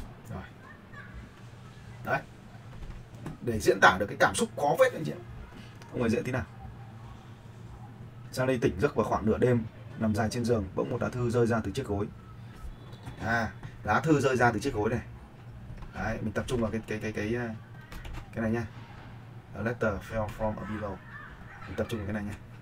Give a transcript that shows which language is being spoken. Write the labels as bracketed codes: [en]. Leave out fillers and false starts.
[vi] Rồi. Đấy. Để diễn tả được cái cảm xúc khó phết anh chị ạ. Không phải dễ tí nào. Sang đây tỉnh giấc vào khoảng nửa đêm, nằm dài trên giường, bỗng một lá thư rơi ra từ chiếc gối. À, lá thư rơi ra từ chiếc gối này. Đấy, mình tập trung vào cái này nhá. [en] A letter fell from a pillow. [vi] Mình tập trung vào cái này nhá.